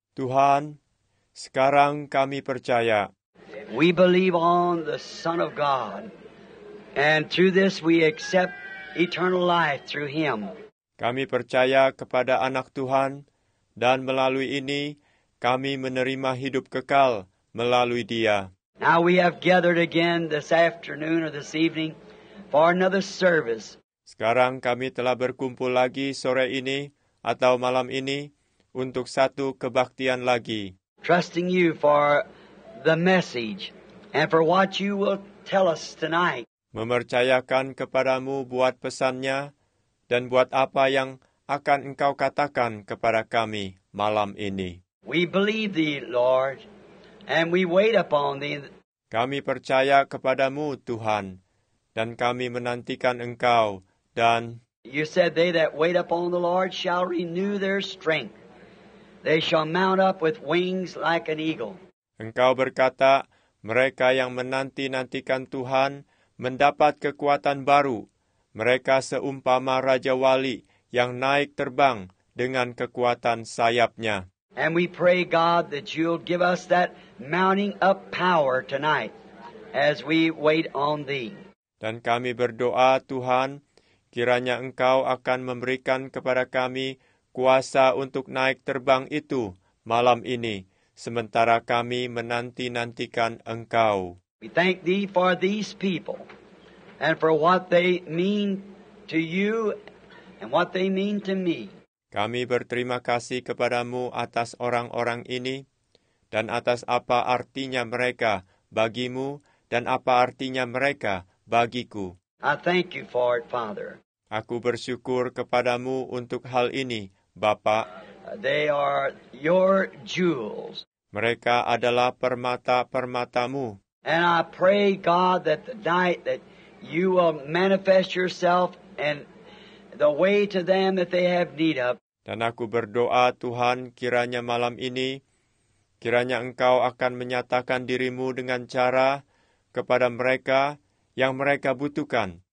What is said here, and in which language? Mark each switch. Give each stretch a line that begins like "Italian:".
Indonesian: Tuhan, sekarang kami percaya.
English: We believe on the Son of God, and through this we accept eternal life through Him.
Indonesian: Kami percaya kepada Anak Tuhan, dan melalui ini kami menerima hidup kekal melalui Dia.
English: Now we have gathered again this afternoon or this evening for another service.
Indonesian: Sekarang kami telah berkumpul lagi sore ini atau malam ini untuk satu kebaktian lagi.
English: Trusting you for the message and for what you will tell us tonight.
Indonesian: Mempercayakan kepadamu buat pesannya dan buat apa yang akan engkau katakan kepada kami malam ini.
English: We believe thee, Lord, and we wait upon thee.
Indonesian: Kami percaya kepadamu, Tuhan, dan kami menantikan engkau dan
English: You said they that wait upon the Lord shall renew their strength. They shall mount up with wings like an eagle.
Indonesian: Engkau berkata, mereka yang menanti-nantikan Tuhan mendapat kekuatan baru. Mereka seumpama Raja Wali yang naik terbang dengan kekuatan sayapnya.
English: And we pray, God, that you'll give us that mounting up power tonight as we wait on thee.
Indonesian: Dan kami berdoa, Tuhan, kiranya engkau akan memberikan kepada kami kuasa untuk naik terbang itu malam ini, sementara kami menanti-nantikan engkau.
English: We thank thee for these people and for what they mean to you and what they mean to me.
Indonesian: Kami berterima kasih kepadamu atas orang-orang ini dan atas apa artinya mereka bagimu dan apa artinya mereka bagiku.
English: I thank you for it, Father.
Indonesian: Aku bersyukur kepadamu untuk hal ini, Bapak.
English: They are your jewels.
Indonesian: Mereka adalah permata-permatamu.
English: And I pray, God, that the night that you will manifest yourself and the way to them that they have need of.
Indonesian: Dan aku berdoa, Tuhan, kiranya malam ini, kiranya engkau akan menyatakan dirimu dengan cara kepada mereka yang mereka butuhkan.